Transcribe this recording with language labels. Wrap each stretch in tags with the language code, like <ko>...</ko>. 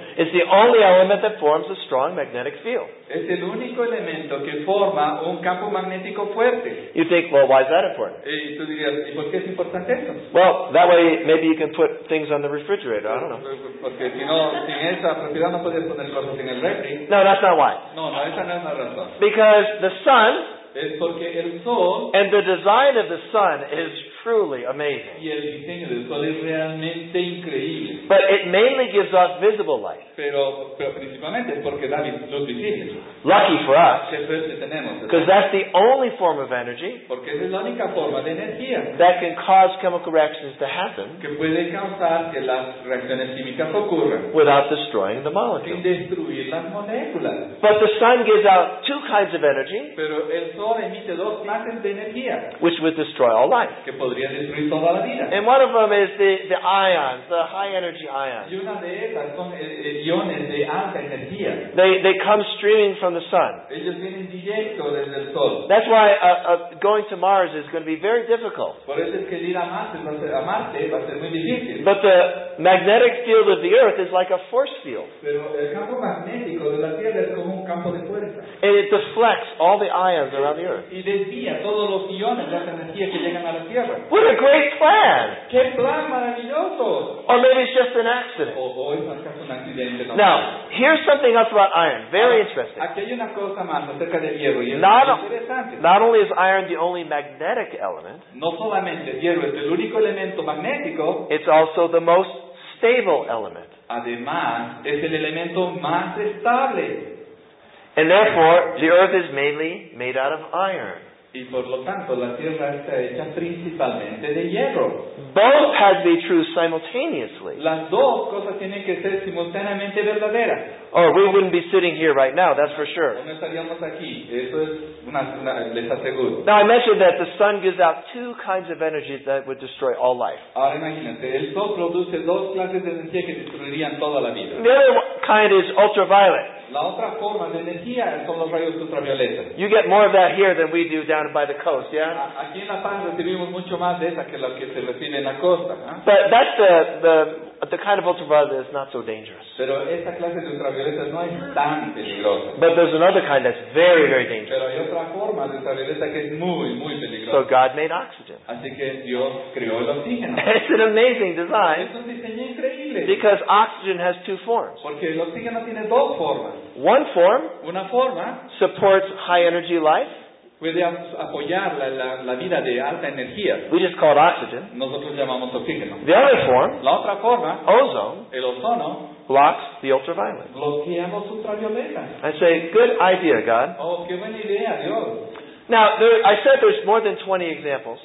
<en>It's the only element that forms a strong magnetic field.</en> <es>Es el único elemento que forma un campo magnético fuerte.</es> <en>You think, well, why is that important?</en> <es>Y tú dirías, ¿y por qué es importante eso?</es> <en>Well, that way maybe you can put things on the refrigerator. I don't know.</en> <es>Porque si no, sin esa propiedad no puedes poner cosas en el refri.</es> <en>No, that's not why.</en> <es>No, esa no es la razón.</es> <en>Because the sun,</en> <es>es porque el sol,</es> <en>and the design of the sun is truly amazing.</en> <es>Y el diseño del sol es realmente increíble.</es> <en>But it mainly gives off visible light.</en> <es>Pero principalmente porque da luz visible.</es> <en>Lucky for us. Because that's the only form of energy,</en> <es>porque es la única forma de energía,</es> <en>that can cause chemical reactions to happen,</en> <es>que puede causar que las reacciones químicas ocurran,</es> <en>without destroying the molecule.</en> <es>Sin destruir las moléculas.</es> <en>But the sun gives out two kinds of energy,</en> <es>pero el sol emite dos clases de energía,</es> <en>which would destroy all life.</en> <es>Que podría destruir toda la vida.</es> <en>And one of them is the ions, the high energy ions.</en> <es>Y una de ellas son iones de alta energía.</es> <en>They come streaming from the sun.</en> <es>Ellos vienen directo desde el sol.</es> <en>That's why going to Mars is going to be very difficult.</en> <es>Por eso es que ir a Marte va a ser muy difícil.</es> <en>But the magnetic field of the Earth is like a force field.</en> <es>Pero el campo magnético de la Tierra es como un campo de fuerza.</es> <en>And it deflects all the ions around the Earth.</en> <es>Y desvía todos los iones de alta energía que llegan a la Tierra.</es> <en>What a great plan!</en> <es>¡Qué plan maravilloso!</es> <en>Or maybe it's just an accident.</en> <es>O es un accidente.</es> <en>Now, here's something else about iron. Very interesting.</en> <es>Aquí hay una cosa más acerca del hierro.</es> <en>Not only is iron the only magnetic element,</en> <es>no solamente el hierro es el único elemento magnético,</es> <en>it's also the most stable element.</en> <es>Además, es el elemento más estable.</es> <en>And therefore, the Earth is mainly made out of iron.</en> <es>Y por lo tanto, la Tierra está hecha principalmente de hierro.</es> <en>Both have to be true simultaneously.</en> <es>Las dos cosas tienen que ser simultáneamente verdaderas.</es> <en>Or we wouldn't be sitting here right now, that's for sure.</en> <es>No estaríamos aquí. Eso es una, les aseguro.</es> <en>Now I mentioned that the sun gives out two kinds of energy that would destroy all life.</en> <es>Ahora imagínate, el sol produce dos clases de energía que destruirían toda la vida.</es> <en>The other kind is ultraviolet.</en> <es>La otra forma de energía son los rayos ultravioleta.</es> <en>You get more of that here than we do down by the coast, yeah?</en> <es>Aquí en La Paz recibimos mucho más de esa que lo que se recibe en la costa.</es> <en>But that's the kind of ultraviolet that is not so dangerous.</en> <es>Pero esta clase de ultravioleta no es tan peligrosa.</es> <en>But there's another kind that's very, very dangerous.</en> <es>Pero hay otra forma de ultravioleta que es muy, muy peligrosa.</es> <en>So God made oxygen.</en> <es>Así que Dios creó el oxígeno.</es> <en>It's an amazing design.</en> <es>Es un diseño increíble.</es> <en>Because oxygen has two forms.</en> <es>Porque el oxígeno tiene dos formas.</es> <en>One form,</en> <es>una forma,</es> <en>supports high energy life.</en> <es>Puede apoyar la vida de alta energía.</es> <en>We just call it oxygen.</en> <es>Nosotros llamamos oxígeno.</es> <en>The other form,</en> <es>la otra forma,</es> <en>ozone,</en> <es>el ozono,</es> <en>blocks the ultraviolet.</en> <es>Bloquea los ultravioletas.</es> <en>I say, good idea, God.</en> <es>Oh, qué buena idea, Dios.</es> <en>Now, I said there's more than 20 examples.</en>